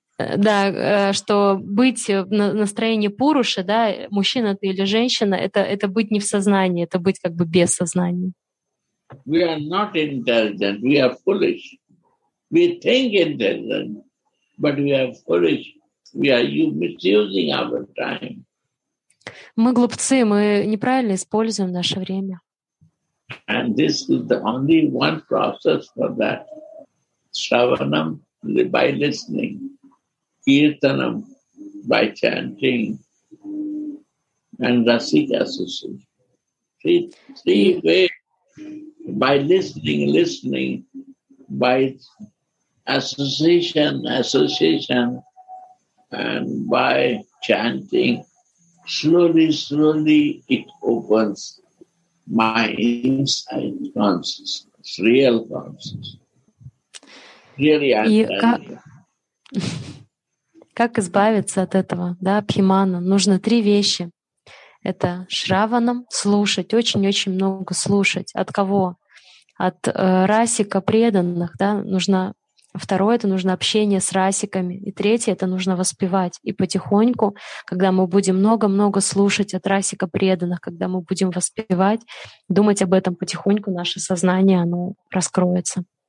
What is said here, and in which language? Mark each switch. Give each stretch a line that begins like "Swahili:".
Russian: Да, что быть в настроении Пуруши, да, мужчина ты или женщина, это быть не в сознании, это быть как бы без сознания.
English: We are not intelligent, we are foolish. We think intelligent, but we are foolish. We are misusing our time.
Russian: Мы глупцы, мы неправильно используем наше время.
English: And this is the only one process for that. Shravanam by listening, Kirtanam by chanting, and Rasika association. Three ways. By listening, by association, and by chanting, slowly it opens my inside consciousness, real consciousness. Really, I'm telling you.
Russian: Как избавиться от этого, да, Абхимана? Нужно три вещи. Это Шраванам слушать, очень-очень много слушать. От кого? От расика преданных, да, нужно. Второе — это нужно общение с расиками. И третье — это нужно воспевать. И потихоньку, когда мы будем много-много слушать от расика преданных, когда мы будем воспевать, думать об этом потихоньку, наше сознание, оно раскроется.